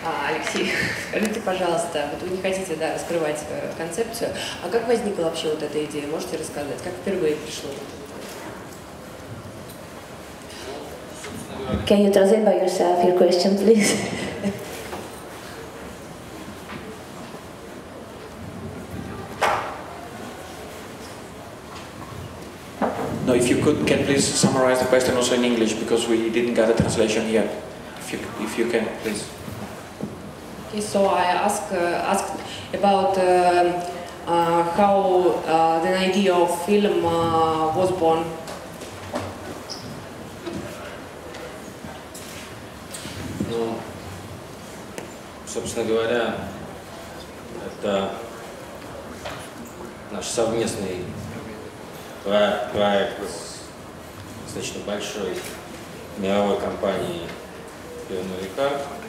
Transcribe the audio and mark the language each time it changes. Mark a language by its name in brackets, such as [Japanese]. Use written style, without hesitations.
[Russian] Алексей, скажите, пожалуйста, вот вы не хотите, да, раскрывать концепцию, а как возникла вообще вот эта идея? Можете рассказать, как впервые пришло? [English] Can you translate by yourself your question, please? No, if you could, can please summarize the question also in English, because we didn't get a translation here. If you can, please. Okay, so I asked about how the idea of film was born. [Russian] Ну, собственно говоря, это наш совместный проект с достаточно большой мировой компанией Пионерика.